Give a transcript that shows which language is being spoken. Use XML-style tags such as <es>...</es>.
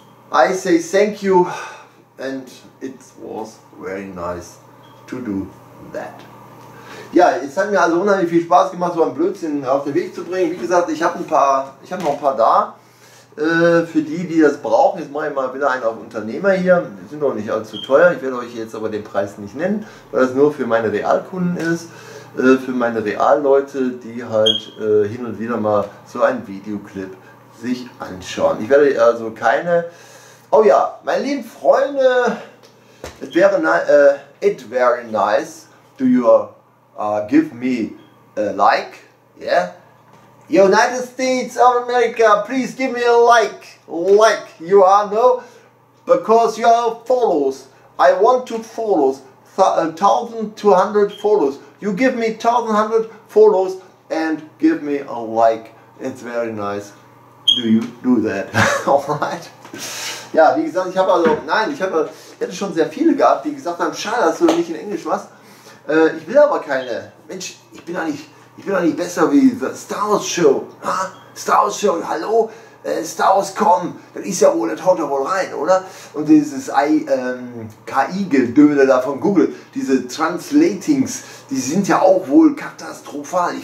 <en>I say thank you and it was very nice to do that.</en> <de>Ja, es hat mir also unheimlich viel Spaß gemacht, so einen Blödsinn auf den Weg zu bringen. Wie gesagt, ich habe noch ein paar da. Für die, die das brauchen, jetzt mache ich mal wieder einen auf Unternehmer hier. Die sind noch nicht allzu teuer. Ich werde euch jetzt aber den Preis nicht nennen, weil das nur für meine Realkunden ist. Für meine Realleute, die halt hin und wieder mal so einen Videoclip sich anschauen. Ich werde also keine... Oh ja, meine lieben Freunde,</de> <en>it very nice, do you give me a like? Yeah? United States of America, please give me a like. Like, you are, no? Because you are followers. I want to follow 1,200 followers. You give me 1,100 follows and give me a like. It's very nice. Do you do that? Alright.</en> <de>Ja, wie gesagt, ich hätte schon sehr viele gehabt, die gesagt haben, schade, dass du nicht in Englisch machst. Ich will aber keine. Mensch, ich bin doch nicht besser wie The Star Wars Show. Ha? Star Wars Show, hallo? Star Wars kommen, das ist ja wohl, das haut ja wohl rein, oder? Und dieses KI-Gedöne da von Google, diese Translatings, die sind ja auch wohl katastrophal.</de>